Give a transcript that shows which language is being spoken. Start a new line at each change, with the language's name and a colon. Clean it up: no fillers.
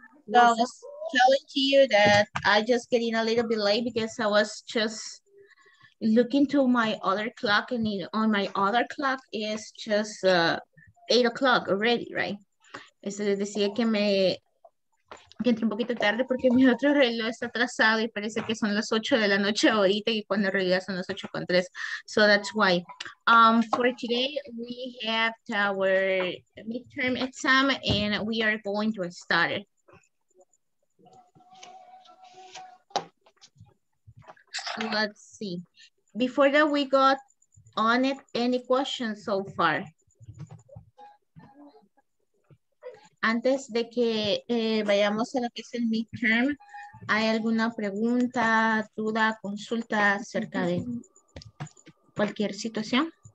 English: So I was telling to you that I just getting a little bit late because I was just looking to my other clock and on my other clock is just 8 o'clock already, right?
Spanish: Eso les decía que me que entré un poquito tarde porque mi otro reloj está atrasado y parece que son las 8 de la noche ahorita y cuando en realidad son las 8:03.
English: So that's why. For today, we have our midterm exam and we are going to start. Let's see. Before that, we got on it any questions so far.
Spanish: Antes de que vayamos a lo que es el midterm, ¿hay alguna pregunta, duda, consulta acerca de cualquier situación?